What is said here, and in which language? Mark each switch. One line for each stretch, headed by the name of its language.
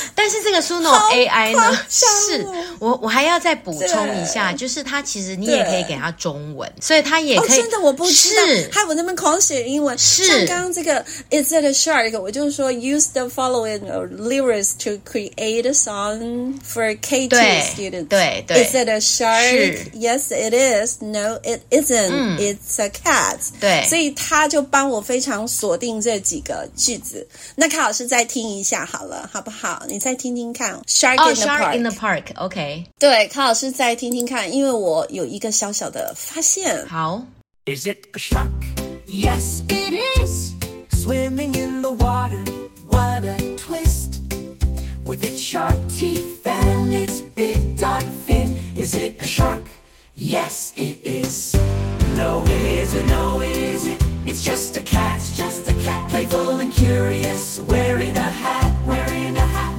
Chinese: 但是这个 Suno AI 呢，是，我还要再补充一下，就是它其实你也可以给它中文，所以它也可以，真的我不知道，害我那边狂写英文。是，像刚刚这个
English: Is it a shark，
Chinese: 我就是说
English: use the following lyrics to create a song for K2 students，
Chinese: 对
English: is it a shark， yes it is， no it isn't，it's a cat，
Chinese: 对，所以他就帮我非常锁定这几个句子。那卡老师再听一下好了，好不好？你再听听看
English: Shark in the park。 Shark in the park， OK，
Chinese: 对，卡老师再听听看，因为我有一个小小的发现。好。
English: Is it a shark? Yes it is. Swimming in the water, what a twist. With its sharp teeth and its big dark fin. Is it a shark? Yes it is. No it isn't, no it isn'tIt's just a cat, it's just a cat, playful and curious, wearing a hat, wearing a hat.